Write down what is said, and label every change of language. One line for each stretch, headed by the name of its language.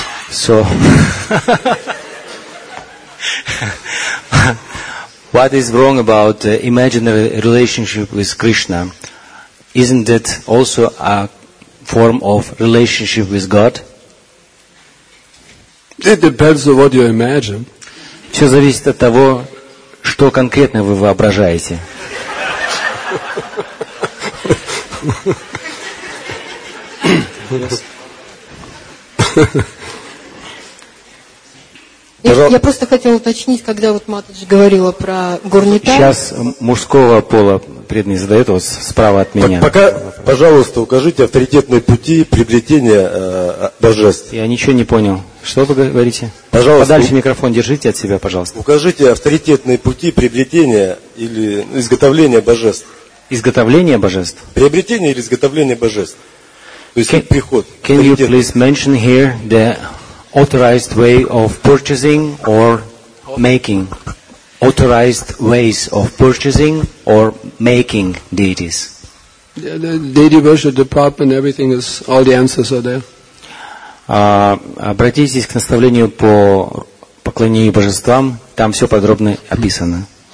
English: So, what is wrong about the imaginary relationship with Krishna? Isn't that also a form of relationship with God? It depends on what you imagine.
Russian: Все зависит от того, что конкретно вы воображаете. Я просто хотела уточнить, когда вот Матадж говорила про горный танец. Сейчас мужского пола преданный задает вот справа от меня. Пока, пожалуйста, укажите авторитетные пути приобретения божеств. Я ничего не понял. Что вы говорите? Пожалуйста. Подальше микрофон держите от себя, пожалуйста. Укажите авторитетные пути приобретения или изготовления божеств. Изготовления божеств? Приобретение или изготовление божеств. То есть приход.
English: Can you please mention here the authorized way of purchasing or making. Authorized ways of purchasing or making deities. Yeah, the deity worship department, everything is, all the answers are there.
Russian: Обратитесь к наставлению по поклонению божествам, там все подробно описано.